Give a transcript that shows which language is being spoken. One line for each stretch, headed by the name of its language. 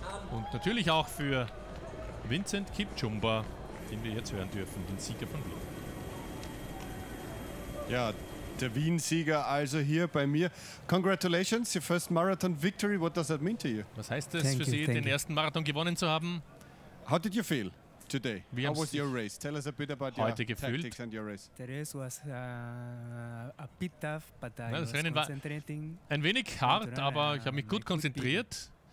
German: Und natürlich auch für Vincent Kipchumba, den wir jetzt hören dürfen, den Sieger von Wien. Ja, der Wien-Sieger also hier bei mir.
English: Congratulations, your first marathon victory. What does that mean to you?
German: Was heißt es für Sie, den ersten Marathon gewonnen zu haben?
English: How did you feel today? How was your race? Tell us a bit about your tactics and your race. The race was a bit tough, but I was concentrating.
German: Ein wenig hart, aber ich habe mich gut konzentriert.